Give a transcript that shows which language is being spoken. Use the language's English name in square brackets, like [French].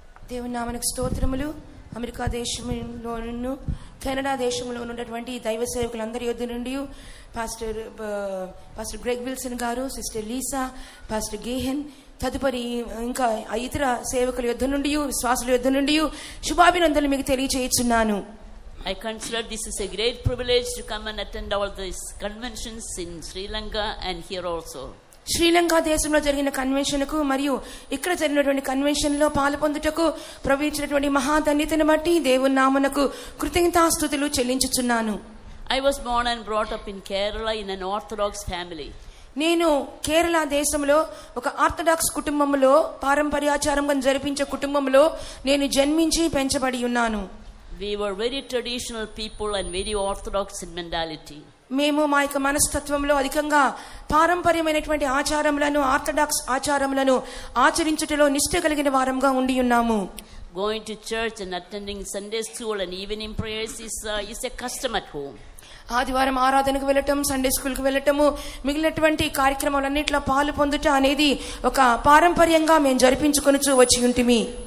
[Telugu] Devunamanaku stotramulu America deshamulo nunnu Canada deshamulo unnatvanti daiva sevakulandari yoddu nundiyu Pastor Pastor Greg Wilson garu Sister Lisa Pastor Gihan తదుపరి ఇంకా ఇతర సేవకుల యొద్ధ నుండి విశ్వాసుల యొద్ధ నుండి శుభాభినందనలు మీకు తెలియజేయుచున్నాను. [English] I consider this is a great privilege to come and attend all these conventions in Sri Lanka and here also. [Telugu] Sri Lanka దేశంలో జరిగిన కన్వెన్షన్ కు మరియు ఇక్కడ జరిగినటువంటి కన్వెన్షన్ లో పాల్పొందుటకు ప్రభు ఇచ్చినటువంటి మహాధన్యతను బట్టి దేవుని నామమునకు కృతజ్ఞతాస్తుతులు చెల్లించుచున్నాను. [English] I was born and brought up in Kerala in an Orthodox family. [Telugu] నేను కేరళ దేశంలో ఒక ఆర్థడాక్స్ కుటుంబంలో పారంపర్యాచారం జరిపించే కుటుంబంలో నేను జన్మించి పెంచబడి ఉన్నాను. [English] We were very traditional people and very orthodox in mentality. [Telugu] మేము మా యొక్క మనస్తత్వంలో అధికంగా పారంపర్యమైనటువంటి ఆచారములను ఆర్థడాక్స్ ఆచారములను ఆచరించుటలో నిష్ఠ కలిగిన వారంగా ఉండి ఉన్నాము. [English] Going to church and attending Sunday school and evening prayers is a custom at home. [Telugu] ఆదివారం ఆరాధనకు వెళ్ళటం సండే స్కూల్ కు వెళ్ళటం మిగిలినటువంటి కార్యక్రమాలన్నింటిలో పాలు పొందుట అనేది ఒక పారంపర్యంగా మేము జరిపించుకొని వచ్చి ఉంటిమి.